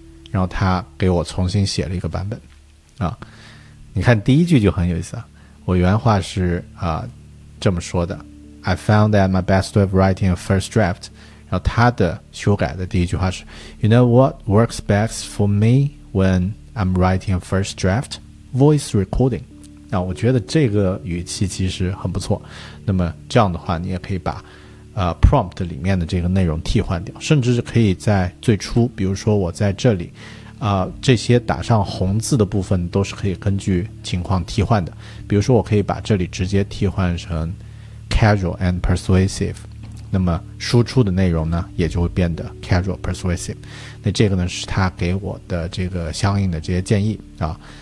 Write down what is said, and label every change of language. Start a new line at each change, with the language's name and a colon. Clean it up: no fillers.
Chinese: 然后他给我重新写了一个版本啊。你看第一句就很有意思啊，我原话是这么说的
English: I found that my best way of writing a first draft,
Chinese: 然后他的修改的第一句话是
English: You know what works best for me when I'm writing a first draft? Voice recording.
Chinese: 那我觉得这个语气其实很不错，那么这样的话你也可以把prompt 里面的这个内容替换掉，甚至是可以在最初，比如说我在这里这些打上红字的部分都是可以根据情况替换的，比如说我可以把这里直接替换成
English: casual and persuasive,
Chinese: 那么输出的内容呢也就会变得
English: casual persuasive,
Chinese: 那这个呢是他给我的这个相应的这些建议啊。